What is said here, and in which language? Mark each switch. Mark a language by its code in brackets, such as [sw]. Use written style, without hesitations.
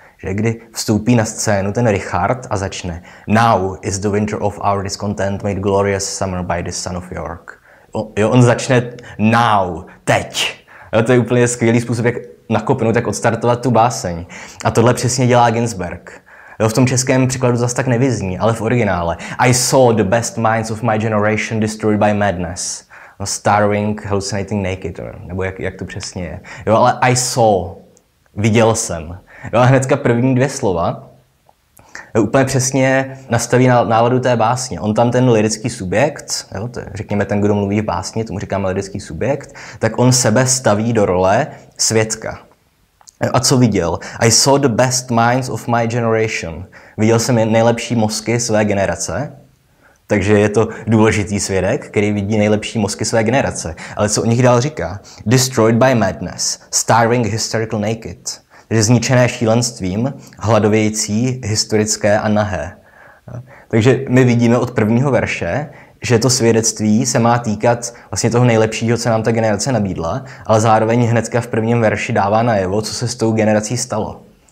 [cs] Že kdy vstoupí na scénu ten Richard a začne [en] Now is the winter of our discontent made glorious summer by the son of York. [cs] On začne now, teď. Jo, to je úplně skvělý způsob, jak nakopnout, jak odstartovat tu báseň. A tohle přesně dělá Ginsberg. Jo, v tom českém příkladu zase tak nevyzní, ale v originále. [en] I saw the best minds of my generation destroyed by madness. No, starving, hallucinating naked. [cs] Nebo jak to přesně je. Jo, ale [en] I saw, [cs] viděl jsem. Jo, a hnedka první dvě slova úplně přesně nastaví náladu té básně. On tam ten lirický subjekt, jo, to je, řekněme ten, kdo mluví v básně, tomu říkáme lirický subjekt, tak on sebe staví do role svědka. A co viděl? [en] I saw the best minds of my generation. [cs] Viděl jsem nejlepší mozky své generace, takže je to důležitý svědek, který vidí nejlepší mozky své generace. Ale co o nich dál říká? [en] Destroyed by madness, starving hysterical naked. [cs] Takže zničené šílenstvím, hladovějící, historické a nahé. Takže my vidíme od prvního verše, že to svědectví se má týkat vlastně toho nejlepšího, co nám ta generace nabídla, ale zároveň hnedka v prvním verši dává najevo, co se s tou generací stalo.